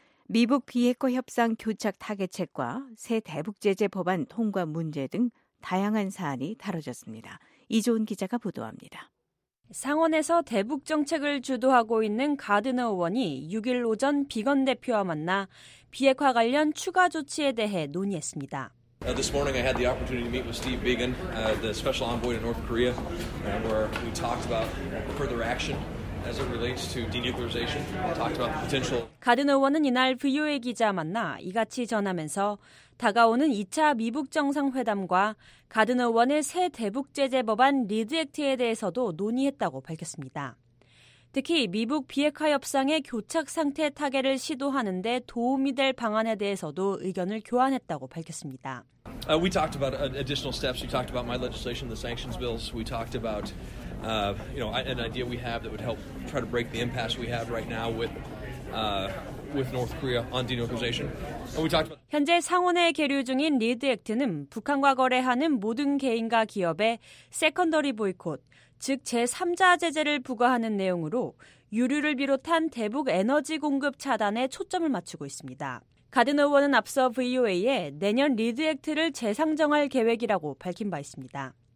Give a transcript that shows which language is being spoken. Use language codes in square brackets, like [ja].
[ko] 미북 비핵화 협상 교착 타개책과 새 대북제재 법안 통과 문제 등 다양한 사안이 다뤄졌습니다. 이조은 기자가 보도합니다. 상원에서 대북정책을 주도하고 있는 가드너 의원이 6일 오전 비건 대표와 만나 비핵화 관련 추가 조치에 대해 논의했습니다. [en] This morning I had the opportunity to meet with Steve Biegun, the special envoy to North Korea, where we talked about further action. As it relates to denuclearization, talked about the potential. [ko] 가든 의원은 이날 VOA 기자 만나 이같이 전하면서 다가오는 2차 미북 정상회담과 가드너 의원의 새 대북 제재 법안 리드 액트에 대해서도 논의했다고 밝혔습니다. 특히 미북 비핵화 협상의 교착 상태 타개를 시도하는 데 도움이 될 방안에 대해서도 의견을 교환했다고 밝혔습니다. [en] We talked about additional steps. We talked about my legislation, the sanctions bills. We talked about an idea we have that would help try to break the impasse we have right now with North Korea on denuclearization. We talked about [ko] 현재 상원에 계류 중인 리드 액트는 북한과 거래하는 모든 개인과 기업에 세컨더리 보이콧 즉 제3자 제재를 부과하는 내용으로 유류를 비롯한 대북 에너지 공급 차단에 초점을 맞추고 있습니다. 가든 의원은 앞서 VOA에 내년 리드 액트를 재상정할 계획이라고 밝힌 바 있습니다.